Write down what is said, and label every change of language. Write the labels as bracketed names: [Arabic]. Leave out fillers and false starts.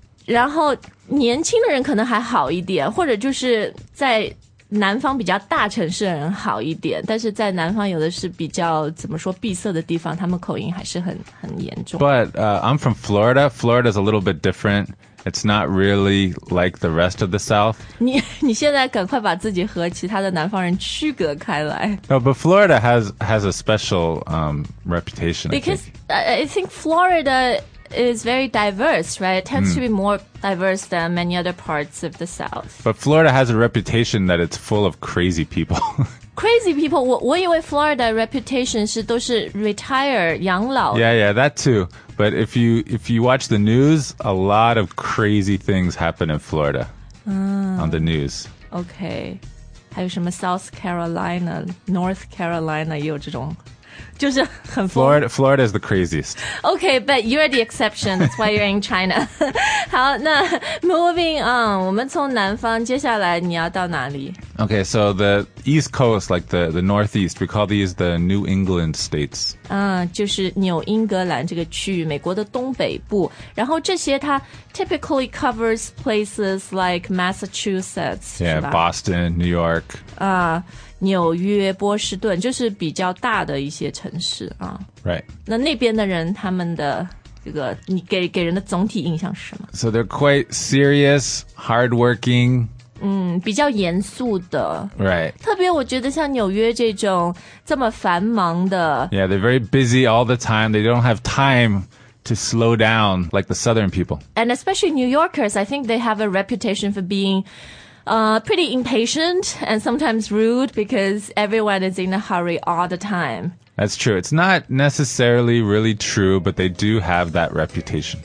[Chinese] 然后年轻的人可能还好一点，或者就是在南方比较大城市的人好一点，但是在南方有的是比较怎么说闭塞的地方，他们口音还是很严重。 [English] But I'm from Florida. Florida is a little bit different. It's not really like the rest of the South. [Chinese] 你现在赶快把自己和其他的南方人区隔开来。 [English] No, but Florida has a special reputation, Because I think Florida is very diverse, right? It tends to be more diverse than many other parts of the South. But Florida has a reputation that it's full of crazy people. Crazy people? [Chinese] 我以为 Florida reputation 是都是 retire, 养老。 [English] Yeah, yeah, that too. But if you watch the news, a lot of crazy things happen in Florida on the news. [Chinese] Okay. 还有什么 South Carolina, North Carolina 也有这种。就是很 [English] Florida is the craziest. Okay, but you're the exception. That's why you're in China. [Chinese] 好，那 [English] moving on, [Chinese] 我们从南方，接下来你要到哪里？ [English] Okay, so the East Coast, like the Northeast, we call these the New England states. [Chinese] 就是纽英格兰这个区域，美国的东北部。然后这些它 [English] typically covers places like Massachusetts, Yeah, Boston, New York. [Chinese] 纽约、波士顿就是比较大的一些城市啊。 [English] Right. [Chinese] 那边的人他们的这个你给人的总体印象是什么？ [English] So they're quite serious, hardworking. [Chinese] 比较严肃的。 [English] Right. [Chinese] 特别我觉得像纽约这种这么繁忙的。 [English] Yeah, they're very busy all the time. They don't have time to slow down like the southern people. And especially New Yorkers, I think they have a reputation for being... pretty impatient and sometimes rude because everyone is in a hurry all the time. That's true. It's not necessarily really true, but they do have that reputation.